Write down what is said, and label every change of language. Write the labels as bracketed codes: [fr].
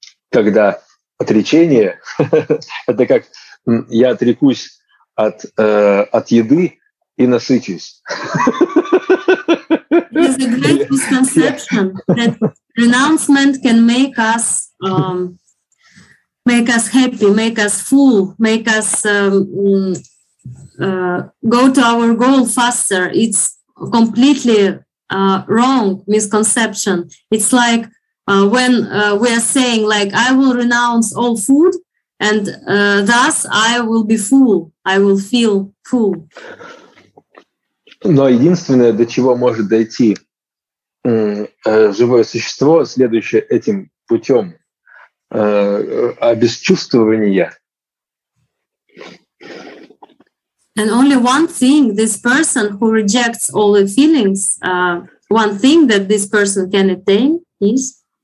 [ru] Тогда отречение – это как я отрекусь от еды и насытюсь. [en] It's a great misconception that renouncement can make us happy, make us full, make us go to our goal faster. It's completely wrong misconception. It's like when we are saying, like, I will renounce all food, and thus I will be full, I will feel full. [ru] Но единственное, до чего может дойти живое существо, следующее этим путем обесчувствования. [en] And only one thing, this person who rejects all the feelings, one thing that this person can attain is?